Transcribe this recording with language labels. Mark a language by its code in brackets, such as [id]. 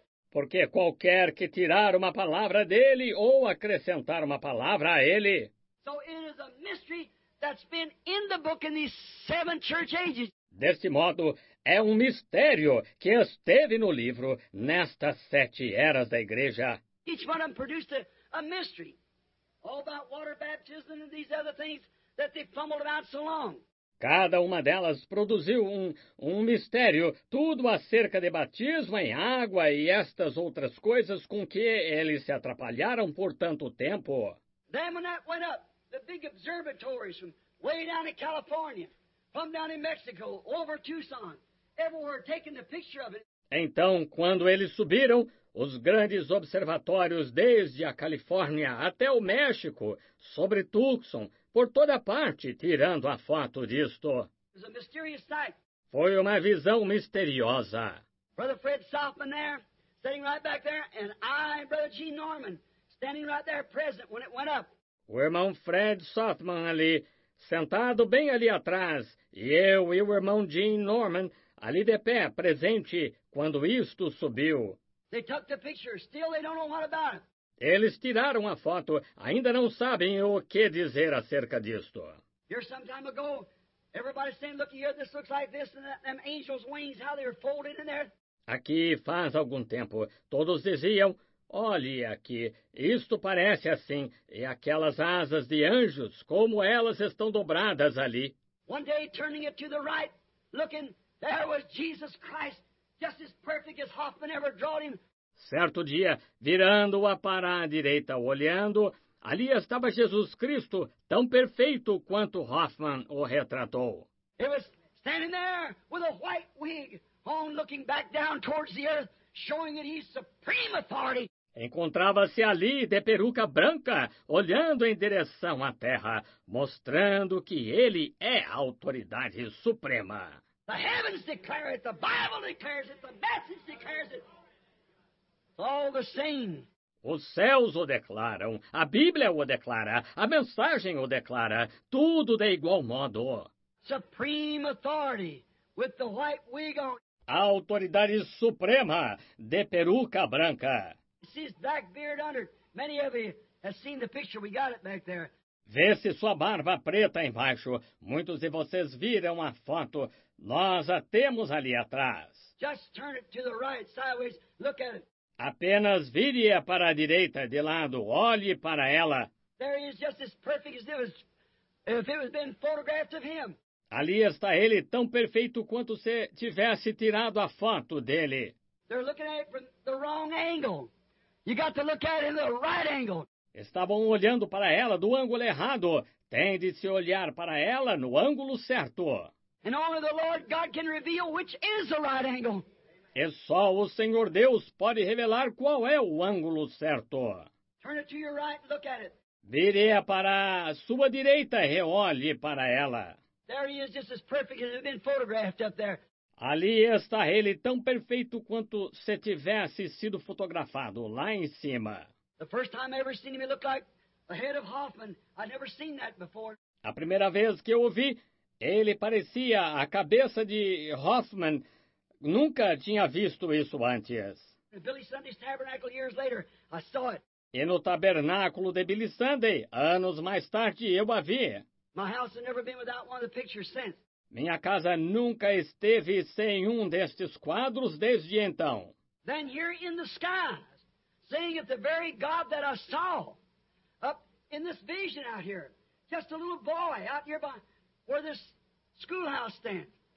[pt] Porque qualquer que tirar uma palavra dele ou acrescentar uma palavra a ele. [en] So it is a mystery. That's been in the book in these seven church ages. [pt] Deste modo, é um mistério que esteve no livro nestas sete eras da igreja. [en] Each one of them produced a mystery. All about water baptism and these other things that they fumbled about so long. [pt] Cada uma delas produziu um mistério, tudo acerca de batismo em água e estas outras coisas com que eles se atrapalharam por tanto tempo. [en] Then when that went up, the big observatories from way down in California, from down in Mexico, over Tucson, everywhere taking the picture of it. [pt] Então, quando eles subiram, os grandes observatórios desde a Califórnia até o México, sobre Tucson, por toda parte, tirando a foto disto. [en] It was a mysterious sight. [pt] Foi uma visão misteriosa. [en] Brother Fred Southman there, sitting right back there, and I, Brother Gene Norman, standing right there present when it went up. [pt] O irmão Fred Southman ali, sentado bem ali atrás, e eu e o irmão Gene Norman, ali de pé, presente, quando isto subiu. [en] They took the picture. Still they don't know what about it. [pt] Eles tiraram a foto, ainda não sabem o que dizer acerca disto. [en] Here some time ago, everybody saying, look here, this looks like this and that, them angels' wings, how they're folded in there. [pt] Aqui faz algum tempo, todos diziam, olhe aqui, isto parece assim, e aquelas asas de anjos, como elas estão dobradas ali. [en] One day, turning it to the right, looking, there was Jesus Christ, just as perfect as Hoffman ever drawn him. [pt] Certo dia, virando-a para a direita, olhando, ali estava Jesus Cristo, tão perfeito quanto Hoffman o retratou. [en] He was standing there with a white wig on, looking back down towards the earth, showing that he's supreme authority. [pt] Encontrava-se ali de peruca branca, olhando em direção à terra, mostrando que ele é a autoridade suprema. [en] The heavens declare it, the Bible declares it, the message declares it. All the same. [pt] Os céus o declaram, a Bíblia o declara, a mensagem o declara, tudo de igual modo. [en] Supreme authority with the white wig on. [pt] A autoridade suprema de peruca branca. [en] See his black beard under. Many of you have seen the picture. We got it back there. [pt] Vê-se sua barba preta embaixo. Muitos de vocês viram a foto. Nós a temos ali atrás. [en] Just turn it to the right, sideways. Look at it. [pt] Apenas vire-a para a direita, de lado. Olhe para ela. [en] There he is, just as perfect as if it was been photographed of him. [pt] Ali está ele, tão perfeito quanto se tivesse tirado a foto dele. [en] They're looking at it from the wrong angle. You got to look at it in the right angle. [pt] Estavam olhando para ela do ângulo errado. Tem de se olhar para ela no ângulo certo. [en] And only the Lord God can reveal which is the right angle. [pt] E só o Senhor Deus pode revelar qual é o ângulo certo. [en] Turn it to your right and look at it. [pt] Vire-a para a sua direita e olhe para ela. [en] There he is, just as perfect as it had been photographed up there. [pt] Ali está ele, tão perfeito quanto se tivesse sido fotografado lá em cima. [en] The first time I ever seen him, he looked like the head of Hoffman. I'd never seen that before. [pt] A primeira vez que eu o vi, ele parecia a cabeça de Hoffman. Nunca tinha visto isso antes. [en] In Billy Sunday's tabernacle years later, I saw it. [pt] E no tabernáculo de Billy Sunday, anos mais tarde, eu a vi. [en] My house has never been without one of the pictures since. [pt] Minha casa nunca esteve sem um destes quadros desde então. [en] Then here in the skies, seeing it the very God that I saw up in this vision out here, just a little boy out here by where this schoolhouse stands.